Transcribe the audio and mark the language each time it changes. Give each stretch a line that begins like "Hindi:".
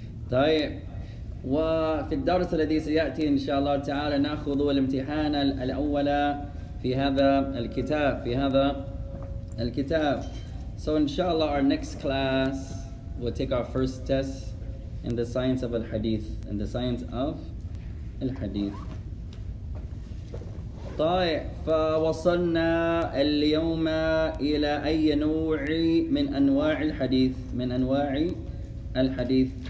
Arabic: طيب وفي الدرس الذي سيأتي إن شاء الله تعالى نأخذ الامتحان الأول في هذا الكتاب في هذا الكتاب.
English: So inshallah our next class will take our first test in the science of al-hadith, in the science of al-hadith.
Arabic: طيب فوصلنا اليوم إلى أي نوع من أنواع الحديث من أنواع الحديث.